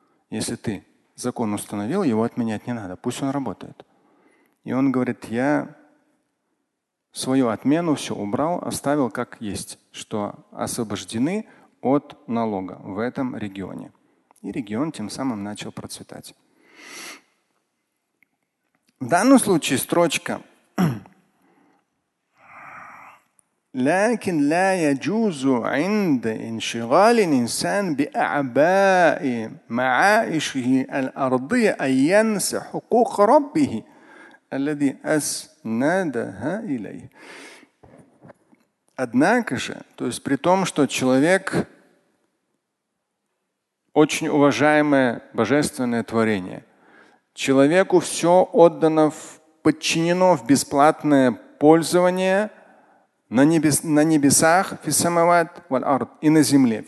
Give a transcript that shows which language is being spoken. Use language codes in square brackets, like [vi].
[ru] Если ты закон установил, его отменять не надо. Пусть он работает. И он говорит: я свою отмену все убрал, оставил как есть, что освобождены от налога в этом регионе. И регион тем самым начал процветать. В данном случае строчка [ar] لكن لا يجوز عند انشغال الإنسان بأعباء معايشه الأرضية أن ينسى حقوق ربه الذي أسندها إليه. [ru] Однако же, то есть при том, что человек очень уважаемое божественное творение, человеку все отдано, подчинено в бесплатное пользование на небесах и на земле.